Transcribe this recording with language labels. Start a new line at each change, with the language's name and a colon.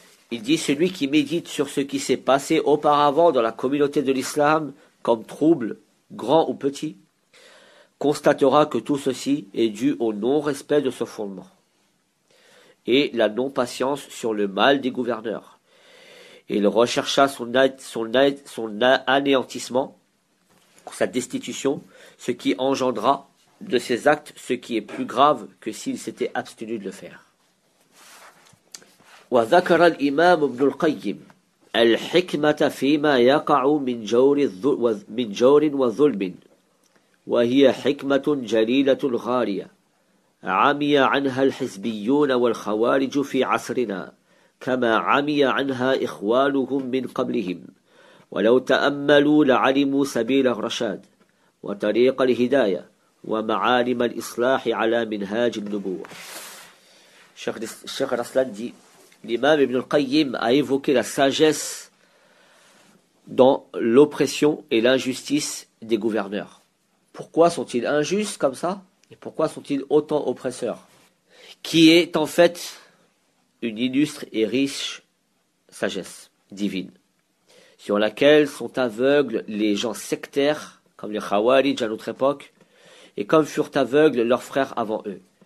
French: Il dit, celui qui médite sur ce qui s'est passé auparavant dans la communauté de l'islam, comme trouble, grand ou petit, constatera que tout ceci est dû au non-respect de ce fondement et la non-patience sur le mal des gouverneurs. Il rechercha son anéantissement, sa destitution, ce qui engendra de ses actes ce qui est plus grave que s'il s'était abstenu de le faire.
Arabic: وذكر الإمام ابن القيم الحكمة فيما يقع من جور وظلم وهي حكمة جليلة غارية عمي عنها الحزبيون والخوارج في عصرنا كما عمي عنها إخوانهم من قبلهم ولو تأملوا لعلموا سبيل الرشاد وطريق الهداية ومعالم الإصلاح على منهاج النبوة.
French: الشيخ رسلان دي L'imam Ibn al-Qayyim a évoqué la sagesse dans l'oppression et l'injustice des gouverneurs. Pourquoi sont-ils injustes comme ça? Et pourquoi sont-ils autant oppresseurs? Qui est en fait une illustre et riche sagesse divine, sur laquelle sont aveugles les gens sectaires, comme les Khawarij à notre époque, et comme furent aveugles leurs frères avant eux.